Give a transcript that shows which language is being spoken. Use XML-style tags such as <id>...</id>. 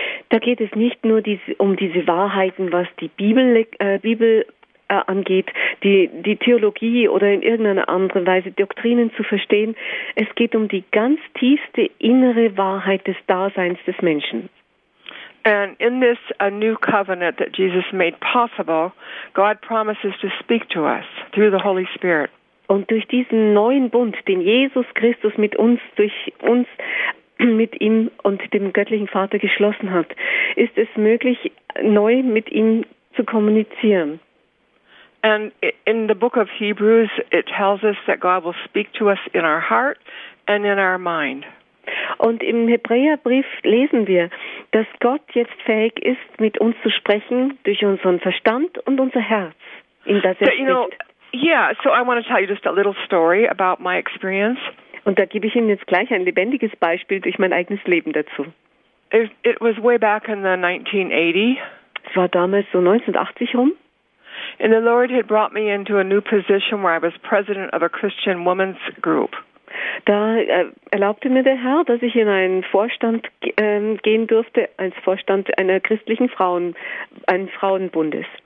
<de>Da geht es nicht nur um diese Wahrheiten, was die Bibel angeht, die Theologie oder in irgendeiner anderen Weise Doktrinen zu verstehen. Es geht um die ganz tiefste innere Wahrheit des Daseins des Menschen.</de> <en>And in this new covenant that Jesus made possible, God promises to speak to us through the Holy Spirit.</en> <de>Und durch diesen neuen Bund, den Jesus Christus mit uns, durch uns, mit ihm und dem göttlichen Vater geschlossen hat, ist es möglich, neu mit ihm zu kommunizieren.</de> <en>And in the book of Hebrews, it tells us that God will speak to us in our heart and in our mind.</en> <de>Und im Hebräerbrief lesen wir, dass Gott jetzt fähig ist, mit uns zu sprechen durch unseren Verstand und unser Herz, in das er spricht.</de> <en>So I want to tell you just a little story about my experience.</en> <de>Und da gebe ich Ihnen jetzt gleich ein lebendiges Beispiel durch mein eigenes Leben dazu.</de> <en>It was way back in the 1980.</en> <de>Es war damals so 1980 rum.</de> <en>And the Lord had brought me into a new position where I was president of a Christian women's group.</en> <de>Da erlaubte mir der Herr, dass ich in einen Vorstand gehen durfte, als Vorstand einer christlichen Frauen, eines Frauenbundes.</de>